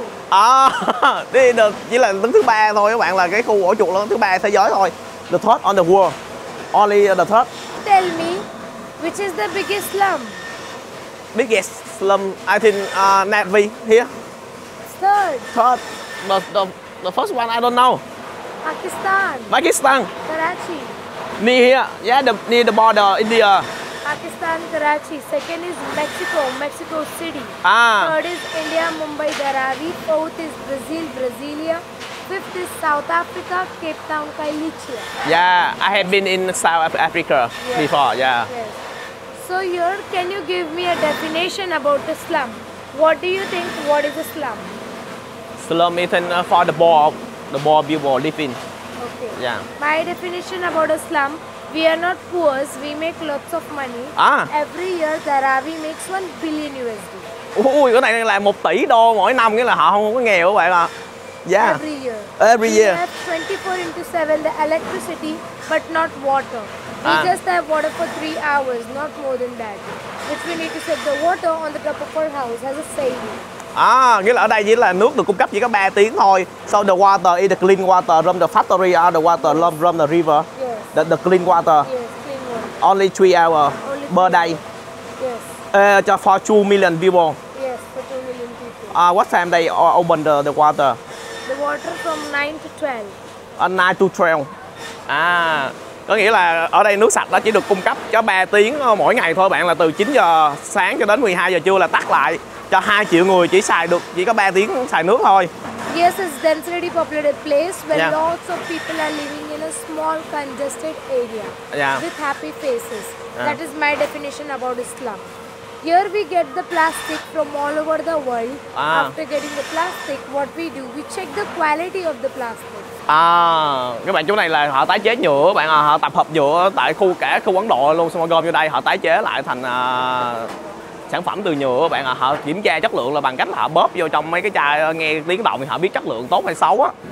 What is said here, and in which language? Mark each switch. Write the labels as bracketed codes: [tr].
[vi] À, đi được chỉ là đứng thứ ba thôi các bạn, là cái khu ổ chuột lớn thứ ba thế giới thôi. [en] The third on the world, only the third. Tell me, which is the biggest slum? Biggest slum, I think Navi here. Third. The first one I don't know. Pakistan. Karachi. Me here, yeah, near the border India. Pakistan, Karachi. Second is Mexico City. Ah. Third is India, Mumbai, Dharavi. Fourth is Brazil, Brasilia. Fifth is South Africa, Cape Town, Kailichia. Yeah, I have been in South Africa before, yeah. Yes. So here, can you give me a definition about the slum? What do you think, what is a slum? Slum is for the poor people living. Okay. Yeah. My definition about a slum, we are not poor, we make lots of money. Ah. Every year Dharavi makes $1 billion. [vi] Ui, cái này là 1 tỷ đô mỗi năm, nghĩa là họ không có nghèo các bạn ạ. [en] Yeah. Every year. We have 24/7 the electricity, but not water. We just have water for 3 hours, not more than that. Which we need to set the water on the top of our house as a saving. [vi] À, nghĩa là ở đây chỉ là nước được cung cấp chỉ có 3 tiếng thôi. [en] So the water is the clean water from the factory or the water from the river. Yes. The clean water. Yes, clean water. Only 3 hours only per day. Yes. For 2 million people. Yes, for 2 million people. What time they open the water? The water from 9 to 12. 9 to 12. [vi] À, có nghĩa là ở đây nước sạch đó chỉ được cung cấp cho 3 tiếng mỗi ngày thôi bạn, là từ 9 giờ sáng cho đến 12 giờ trưa là tắt lại. Cho 2 triệu người chỉ xài được, chỉ có 3 tiếng xài nước thôi. [en] Yes, it's a densely populated place where lots of people are living in a small congested area with happy faces. Yeah. That is my definition about slum. Here we get the plastic from all over the world. After getting the plastic, what we do? We check the quality of the plastic. [vi] À, các bạn, chỗ này là họ tái chế nhựa các bạn, họ tập hợp nhựa tại cả khu Ấn Độ luôn, xong rồi gom vô đây họ tái chế lại thành sản phẩm từ nhựa các bạn ạ. Họ kiểm tra chất lượng là bằng cách là họ bóp vô trong mấy cái chai, nghe tiếng động thì họ biết chất lượng tốt hay xấu á.